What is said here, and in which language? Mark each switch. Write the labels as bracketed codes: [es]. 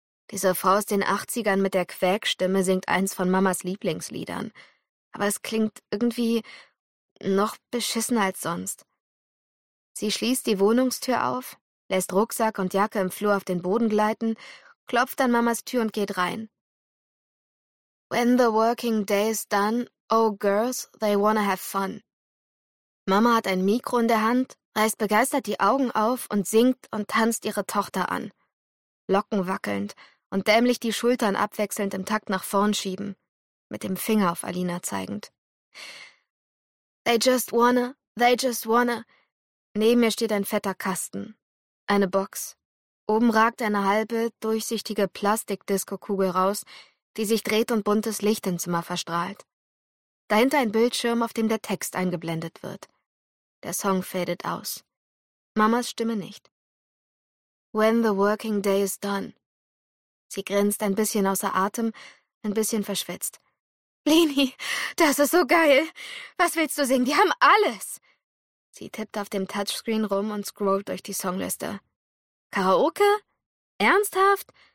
[de] Diese Frau aus den 80ern mit der Quäkstimme singt eins von Mamas Lieblingsliedern. Aber es klingt irgendwie noch beschissener als sonst. Sie schließt die Wohnungstür auf, lässt Rucksack und Jacke im Flur auf den Boden gleiten, klopft an Mamas Tür und geht rein. [en] When the working day is done, oh girls, they wanna have fun. [de] Mama hat ein Mikro in der Hand, reißt begeistert die Augen auf und singt und tanzt ihre Tochter an. Locken wackelnd und dämlich die Schultern abwechselnd im Takt nach vorn schieben, mit dem Finger auf Alina zeigend. [en] They just wanna, they just wanna. [de] Neben mir steht ein fetter Kasten. Eine Box. Oben ragt eine halbe, durchsichtige Plastik-Disco-Kugel raus, die sich dreht und buntes Licht im Zimmer verstrahlt. Dahinter ein Bildschirm, auf dem der Text eingeblendet wird. Der Song fadet aus. Mamas Stimme nicht. [en] When the working day is done. [de] Sie grinst ein bisschen außer Atem, ein bisschen verschwitzt. Leni, das ist so geil. Was willst du singen? Die haben alles. Sie tippt auf dem Touchscreen rum und scrollt durch die Songliste. Karaoke? Ernsthaft?